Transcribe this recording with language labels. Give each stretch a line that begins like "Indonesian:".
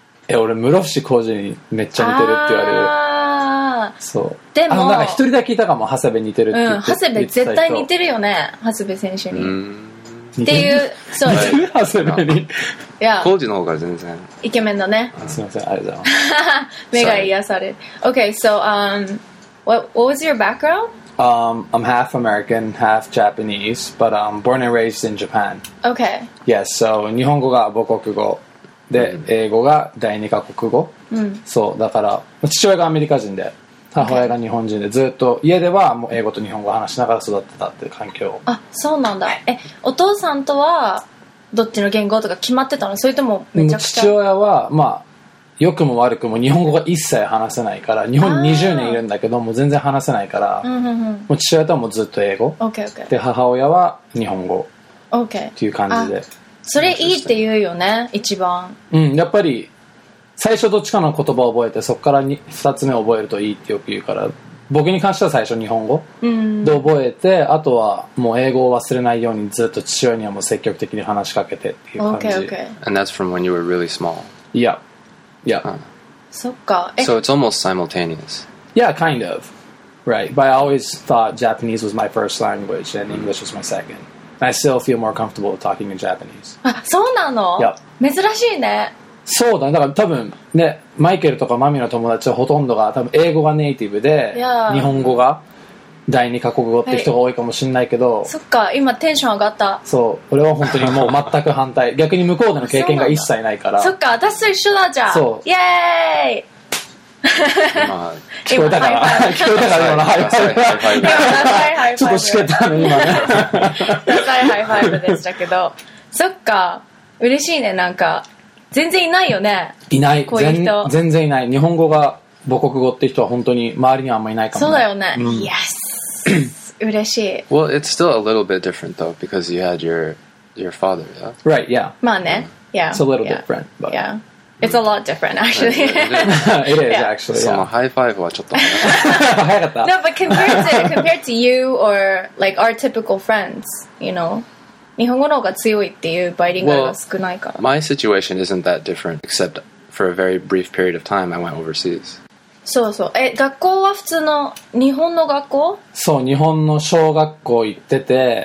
Japanese: 俺、室伏広治にめっちゃ似てるって言われる。そう。でも、なんか一人だけいたかも、長谷部似てるって言って。うん、長谷部絶対似てるよね、長谷部選手に。うん、っていう、そう、ハセベに、いや、工事の方が全然イケメンだね。すみません、ありがとうございます。目が癒され。
English: Okay, so what was your background? I'm half American, half Japanese, but born and raised in Japan. Okay. Yes, so
Japanese: 日本語が母国語で、mm-hmm. 英語が第二か国語。 Mm-hmm. そうだから父親がアメリカ人で、母親が日本人で、ずっと家ではもう英語と日本語を話しながら育ってたっていう環境。あ、そうなんだ。え、お父さんとはどっちの言語とか決まってたの？それともめちゃくちゃ？父親はまあ良くも悪くも日本語が一切話せないから、日本に20年いるんだけどもう全然話せないから、もう父親とはもうずっと英語、
English: okay.
Japanese: で母親は日本語、
English: okay.
Japanese: っていう感じで。それいいって言うよね、一番。うん、やっぱり最初どっちかの言葉を覚えて、そこから2つ目を覚えるといいってよく言うから、僕に関しては最初日本語で覚えて、うん、あとはもう英語を忘れないようにずっと父親にはもう積極的に話しかけてっていう感じ。
English: okay, okay. And that's from when you were really small. Yeah. Yeah.
Japanese: そっか。
English: So it's almost simultaneous. Yeah, kind of. Right. But I always thought Japanese was my first language and English was my second. And I still feel more comfortable talking in Japanese.
Japanese: あ、そうなの？
English: Yeah.
Japanese: 珍しいね。そうだね。だから多分ね、マイケルとかマミの友達はほとんどが多分英語がネイティブで、
English: yeah.
Japanese: 日本語が第二か国語って人が多いかもしれないけど、はい、そっか、今テンション上がった。そう、俺は本当にもう全く反対逆に向こうでの経験が一切ないから。そっか、私と一緒だじゃん。そう、イエーイ。今聞こえたから、聞こえたから、今のハイファイブ。ちょっとしけたの今ね。高いハイファイブでしたけど。そっか、嬉しいね。なんか全然いないよね。いない、こういう人。全然いない。日本語が母国語って人は本当に周りにはあんまりいないかもね。そうだよね。Yes。 嬉しい。
English: Well, it's still a little bit different though because you had your father, yeah? Right, yeah.
Japanese: まあね。Yeah.
English: It's a little different, but... Yeah. It's a lot different, actually. It is, actually,
Japanese: yeah. そのハイファイブはちょっと早かった。
English: No, but compared to you or like our typical friends, you know...
Japanese: 日本語の方が強いっていうバイリンガルが少ないから。
English: Well, my situation isn't that different, except for a very brief period of time I went overseas.
Japanese: そうそう。え、学校は普通の日本の学校？そう、日本の小学校行ってて、